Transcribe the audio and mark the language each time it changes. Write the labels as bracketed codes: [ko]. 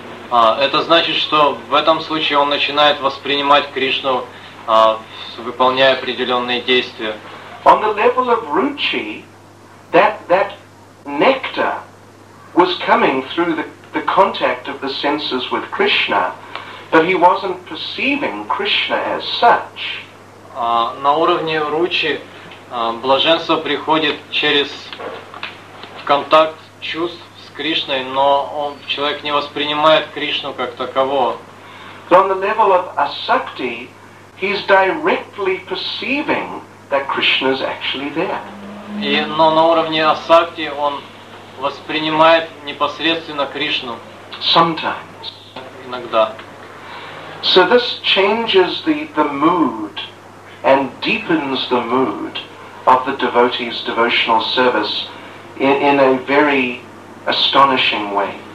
[ru] Это значит, что в этом случае он начинает воспринимать Кришну, выполняя определенные действия. [en] On the level of ruchi, that nectar was coming through the contact of the senses with Krishna, but he wasn't perceiving Krishna as such. [ru] На уровне ручи блаженство приходит через контакт чувств с Кришной, но человек не воспринимает Кришну как такового. [en] But on the level of asakti, he's directly perceiving that Krishna is actually there. [ru] Но на уровне асакти он воспринимает непосредственно Кришну. [en] Sometimes. [ru] Иногда. [en] So this changes the mood and deepens the mood of the devotee's devotional service in a very astonishing way.